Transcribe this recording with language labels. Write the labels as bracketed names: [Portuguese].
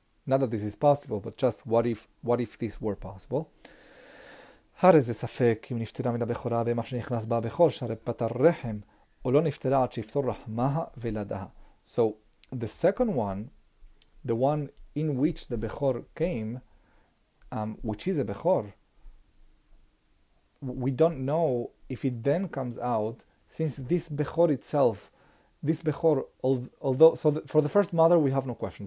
[English] Not that this is possible, but just what if this were possible? [Hebrew] הרי זה ספק אם נפטרה מן הבכורה במה שנכנס בה הבכור, שהרי פטר רחם, או לא נפטרה עד שיפטור רחמה וילדה. [English] So, the second one, the one in which the בכור came, which is a בכור, we don't know if it then comes out, since this בכור itself, this בכור, although, so the, for the first mother we have no question.